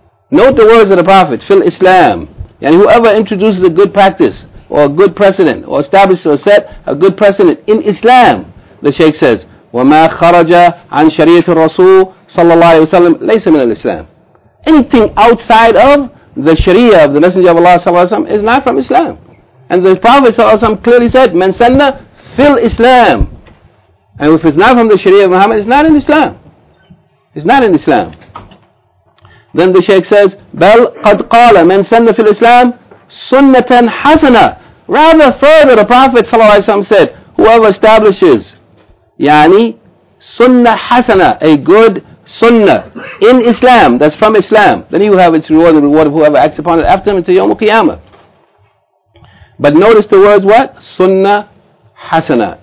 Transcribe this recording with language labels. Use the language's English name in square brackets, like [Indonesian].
[English] Note the words of the Prophet, fil Islam. Yani whoever introduces a good practice or a good precedent or establishes or set a good precedent in Islam, the Shaykh says, [Arabic] وَمَا خَرَجَ عَنْ شَرِيَةِ الرَّسُولِ صَلَّى اللَّهِ وَسَلَّمْ لَيْسَ مِنَ الْإِسْلَامِ. [English] Anything outside of the Sharia of the Messenger of Allah sallallahu alayhi wa sallam is not from Islam. And the Prophet sallallahu alayhi wa sallam clearly said, [Arabic] مَنْ سَنَّ فِي الْإِسْلَامِ. [English] And if it's not from the Sharia of Muhammad, it's not in Islam. It's not in Islam. Then the Shaykh says, [Arabic] بَلْ قَدْ قَالَ مَنْ سَنَّ فِي الْإِسْلَامِ سُنَّةً حَسَنَةً. [English] Rather further, the Prophet sallallahu alayhi wa sallam said, whoever establishes Yani sunnah hasana, a good sunnah in Islam, that's from Islam, then you have its reward, the reward of whoever acts upon it after him until Yawmul Qiyamah. But notice the words what? Sunnah hasana.